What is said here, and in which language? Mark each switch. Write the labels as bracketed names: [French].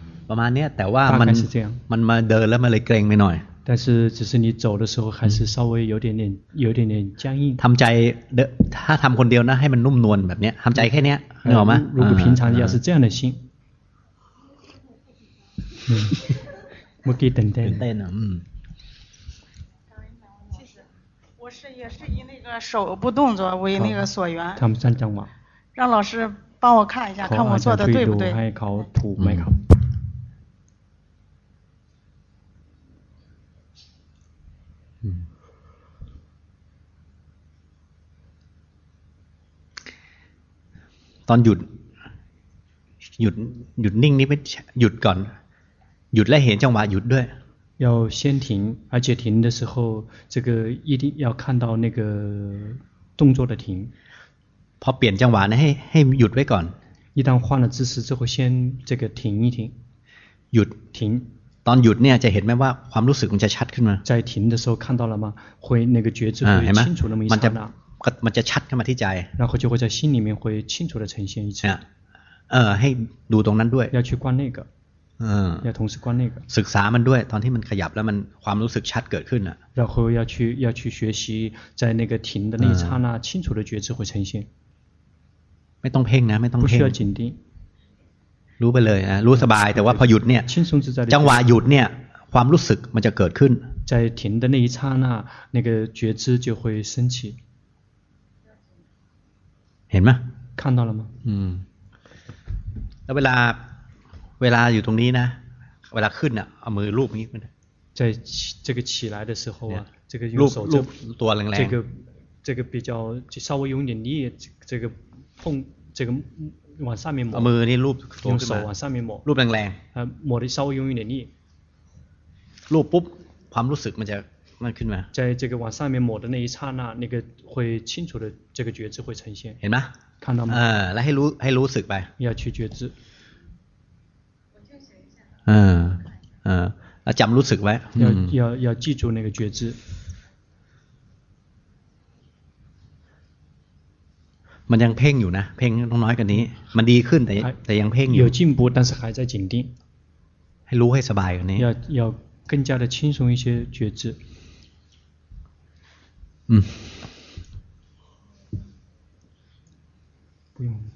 [Thai] ประมาณเนี้ยแต่ว่ามันมาเดินแล้วมันเลยเกร็งไปหน่อย [Chinese] 但是只是你走的时候还是稍微有点点僵硬 [Thai] ทำใจถ้าทำคนเดียวนะให้มันนุ่มนวลแบบเนี้ยทำใจแค่เนี้ยเหนื่อยไหม [Chinese] 如果平常要是这样的心 [Thai] เมื่อกี้ เต้น อ่ะ [Chinese] 其实我是也是以那个手部动作为那个所缘 [Thai] ทำสั้นจังหวะ [Chinese] 让老师帮我看一下看我做的对不对 [Thai] ให้เขาถูกไหมครับ ตอนหยุดนิ่งนี่ไม่หยุดก่อนหยุดและเห็นจังหวะหยุดด้วย [Chinese] 要先停而且停的时候这个一定要看到那个动作的停 [Thai] พอเปลี่ยนจังหวะนะให้หยุดไว้ก่อน [Chinese] 一旦换了姿势之后先这个停一停 [Thai] หยุด [Chinese] 停 [Thai] ตอนหยุดเนี่ยจะเห็นไหมว่าความรู้สึกมันจะชัดขึ้นมา [Chinese] 在停的时候看到了吗会那个觉知会清楚那么一刹那 [Thai] มันจะชัดขึ้นมาที่ใจ [Chinese] 然后就会在心里面会清楚的呈现一次 [Thai] ให้ดูตรงนั้นด้วย [Chinese] 要去观那个要同时观那个 [Thai] ศึกษามันด้วยตอนที่มันขยับแล้วมันความรู้สึกชัดเกิดขึ้นอ่ะ [Chinese] 然后要去学习在那个停的那刹那清楚的觉知会呈现 [Thai] ไม่ต้องเพ่งนะไม่ต้องเพ่ง [Chinese] 不需要紧盯 [Thai] รู้ไปเลยนะรู้สบายแต่ว่าพอหยุดเนี่ย [Chinese] 轻松自在 [Thai] จังหวะหยุดเนี่ยความรู้สึกมันจะเกิดขึ้น [Chinese] 在停的那一刹那那个觉知就会升起 [Thai] เห็นไหม [Chinese] 看到了吗 [Thai] แล้วเวลาอยู่ตรงนี้นะเวลาขึ้นน่ะเอามือลูบงี้มัน จะ [Chinese] 这个起来的时候啊这个用手就 [Thai] ตัวแรงๆ [Chinese] 这个比较就稍微用点力这个碰这个往上面抹 [Thai] เอามือนี่ลูบ [Chinese] 用手往上面抹 [Thai] ลูบแรง [Chinese] ๆ抹的稍微用一点力 [Thai] ลูบปุ๊บความรู้สึกมันจะมันขึ้นมา [Chinese] 在这个往上面抹的那一刹那那个会清楚的这个觉知会呈现 [Thai] เห็นมั้ย คันน้ำ แล้วให้รู้สึกไป [Chinese] 要去觉知 [Thai] แล้วจำรู้สึกไว้ [Chinese] 要记住那个觉知 [Thai] มันยังเพ่งอยู่นะเพ่งต้องน้อยกว่านี้มันดีขึ้นแต่ยังเพ่งอยู่ [Chinese] 有进步但是还在紧盯 [Thai] ให้รู้ให้สบายกว่านี้ [Chinese] 要更加的轻松一些觉知不用